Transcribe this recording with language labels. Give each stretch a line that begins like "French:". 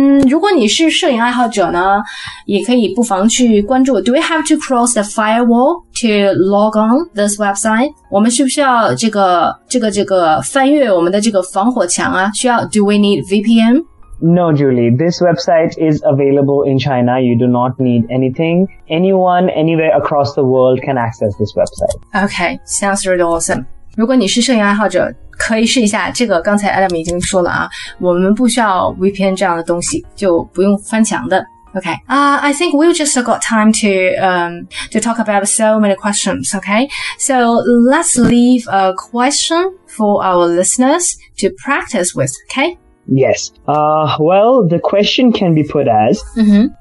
Chinese: 如果你是摄影爱好者呢，也可以不妨去关注。
English: Do we have to cross the firewall to log on this website?
Chinese: 我们需不需要这个翻越我们的这个防火墙啊？需要
English: ？Do we need VPN? No, Julie. This website is available in China. You do not need anything. Anyone, anywhere across the world can access this website. Okay, sounds really awesome.
Chinese: 如果你是摄影爱好者。可以试一下这个，刚才 Adam 已经说了啊，我们不需要 VPN 这样的东西，就不用翻墙的。
English: Okay, I think we've just got time to talk about so many questions. Okay, so let's leave a question for our listeners to practice with. Okay. Yes. Well, the question can be put as,、 mm-hmm.